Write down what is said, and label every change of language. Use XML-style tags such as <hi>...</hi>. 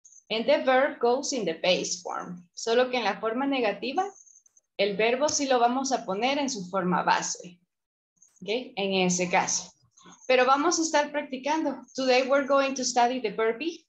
<en>And the verb goes in the base form.</en> <es>Solo que en la forma negativa, el verbo sí lo vamos a poner en su forma base. Okay, en ese caso. Pero vamos a estar practicando.</es> <en>Today we're going to study the verb be.</en>